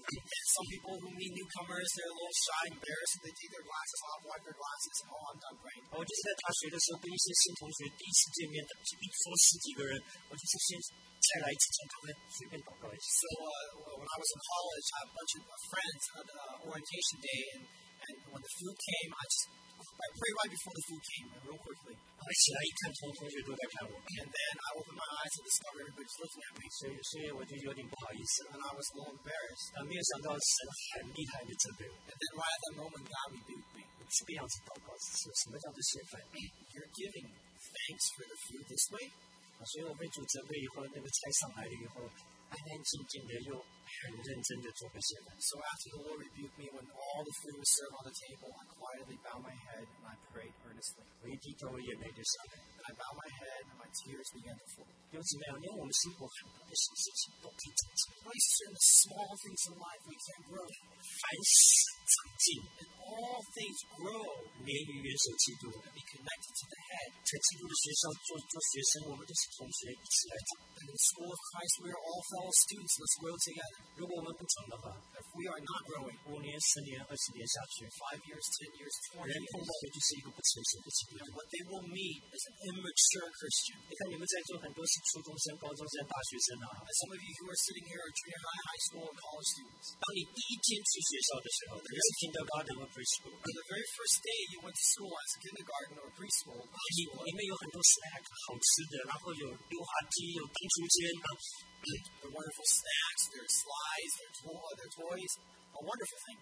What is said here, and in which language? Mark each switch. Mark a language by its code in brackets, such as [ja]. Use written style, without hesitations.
[en] And some people who meet newcomers, they're a little shy, embarrassed, and they take their glasses off, wipe their glasses, and oh, I'm done praying. [zh] 我就是在大学的时候跟一些新同学第一次见面的，一桌十几个人，我就是先。 [en] So when I was in college, I had a bunch of friends on the orientation day, and when the food came, I prayed right before the food came, real quickly. And then I opened my eyes and discovered everybody's looking at me. So I was a little embarrassed. And then right at that moment, God rebuked me. You're giving thanks for the food this way? [zh] 所以我被主责备以后，那个菜上来了以后，安安静静的又很认真的做个示范。 [en] So after the Lord rebuked me when all the food was served on the table, I quietly bowed my head and I prayed earnestly. [zh] 我一低头，眼泪就下来。 [en] I bowed my head and my tears began to flow. [zh] 有什么样的事情不开心？ [en] Christ is in the small things in life we can grow. [zh] 凡事长进, [en] and all things grow. [zh] 你愿意元首基督, [en] and be connected to the head. [zh] 在基督的学校做学生，我们都是同学一起来读。 [en] And in the school of Christ, we are all fellow students. Let's grow together. [zh] 如果我们不成的话, [en] if we are not growing, [zh] 五年、十年、二十年下去, [en] 5 years, 10 years, 20 years, what they will meet is an immature Christian. [zh] 你看你们在座很多是 初中生、高中生、大学生啊, [en] and some of you who are sitting here are junior high, high school, and college students. [zh] 当你第一天去学校的时候, [en] there is kindergarten or preschool. On the very first day you went to school as a kindergarten or preschool, [zh] 里面有很多 snack 好吃的，然后有溜滑梯，有踢足尖。 [en] The wonderful snacks, their slides, their toys, a wonderful thing.